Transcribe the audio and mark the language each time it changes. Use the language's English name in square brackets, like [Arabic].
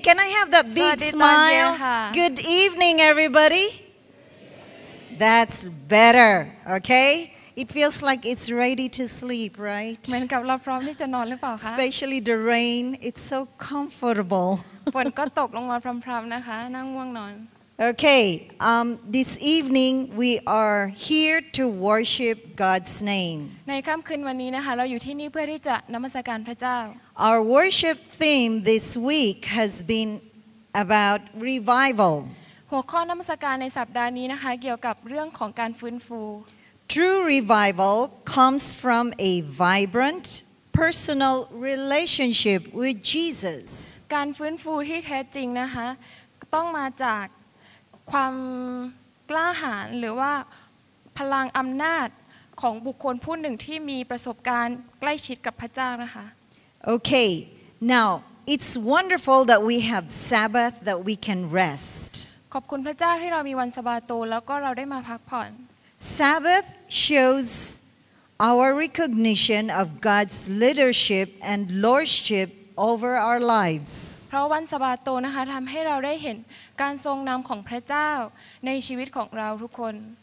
[English] Can I have that big smile? Good evening, everybody. That's better. Okay. It feels like it's ready to sleep, right? [Thai] เหมือนกับเราพร้อมที่จะนอนหรือเปล่าคะ [English] Especially the rain. It's so comfortable. [Thai] ฝนก็ตกลงมาพรำๆนะคะนั่งง่วงนอน [English] Okay this evening we are here to worship God's name [Thai] ในค่ำคืนวันนี้นะคะเราอยู่ที่นี่เพื่อที่จะนมัสการพระเจ้า [English] Our worship theme this week has been about revival [Thai] หัวข้อนมัสการในสัปดาห์นี้นะคะเกี่ยวกับเรื่องของการฟื้นฟู [English] True revival comes from a vibrant personal relationship with Jesus [Thai] การฟื้นฟูที่แท้จริงนะคะต้องมาจากความกล้าหาญหรือว่าพลังอำนาจของบุคคลผู้หนึ่งที่มีประสบการณ์ใกล้ชิดกับพระเจ้านะคะ [English] โอเค now it's wonderful that we have Sabbath that we can rest [Thai] ขอบคุณพระเจ้าที่เรามีวันสะบาโตแล้วก็เราได้มาพักผ่อน [English] Sabbath shows our recognition of God's leadership and lordshipover our lives [Thai] เพราะวันสะบาโตนะคะทําให้เราได้เห็นการทรงนําของพระเจ้าในชีวิตของเราทุกคน